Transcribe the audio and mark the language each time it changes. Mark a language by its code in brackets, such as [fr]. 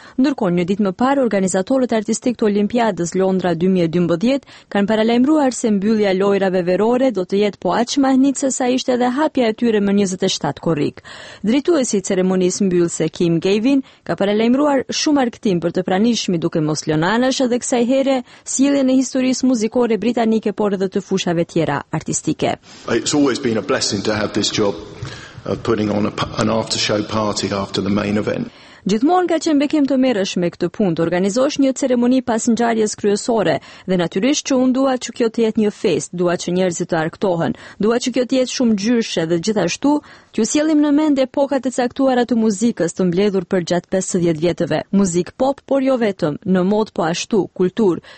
[sq] Ndërkohë, një ditë më parë organizatorët artistik të Olimpiadës Londra 2012 kanë paralajmëruar se mbyllja lojrave verore do të jetë po aq mahnitse sa ishte edhe hapja e tyre më 27 korrik. Drejtuesi i ceremonisë mbyllëse Kim Gavin ka paralajmëruar shumë argëtim për të pranishmi, duke mos lënë anash edhe kësaj here sjelljen e historisë muzikore britanike, por edhe të fushave tjera artistike. [en] It's always been a blessing to have this job of putting on an after show party after the main event. [sq] Gjithmonë ka qenë bekim të merresh me këtë punë, organizosh një ceremoni pas ngjarjes kryesore, dhe natyrisht që unë dua që kjo të jetë një fest, dua që njerëzit të argëtohen, dua që kjo të jetë shumë gjyshe dhe gjithashtu që sjellim në mend epokat e caktuara të muzikës të mbledhur për gjatë 50 vjetëve, muzik pop, por jo vetëm, në mod po ashtu, kulturë.